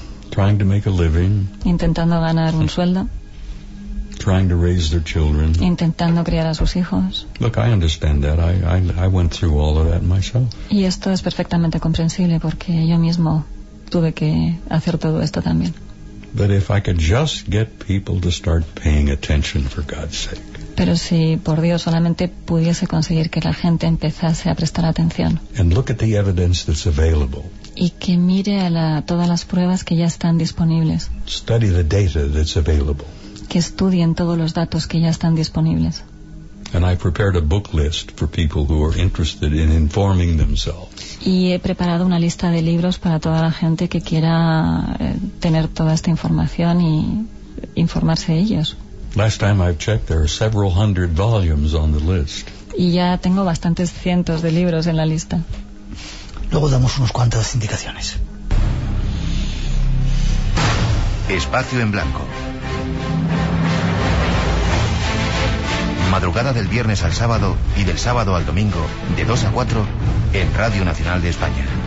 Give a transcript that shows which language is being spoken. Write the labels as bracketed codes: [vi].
[en] Trying to make a living. [es] Intentando ganar un sueldo. [en] Trying to raise their children. [es] Intentando criar a sus hijos. [en] Look, I understand that. I went through all of that myself. [es] Y esto es perfectamente comprensible porque yo mismo tuve que hacer todo esto también. [en] But if I could just get people to start paying attention, for God's sake. [es] Pero si por Dios solamente pudiese conseguir que la gente empezase a prestar atención. [en] And look at the evidence that's available. [es] Y que mire todas las pruebas que ya están disponibles. [en] Study the data that's available. [es] Que estudien todos los datos que ya están disponibles. [en] And I prepared a book list for people who are interested in informing themselves. [es] Y he preparado una lista de libros para toda la gente que quiera tener toda esta información y informarse de ellos. [en] Last time I've checked, there are several hundred volumes on the list. [es] Y ya tengo bastantes cientos de libros en la lista. Luego damos unos cuantas indicaciones. Espacio en blanco. Madrugada del viernes al sábado y del sábado al domingo, de 2 a 4, en Radio Nacional de España.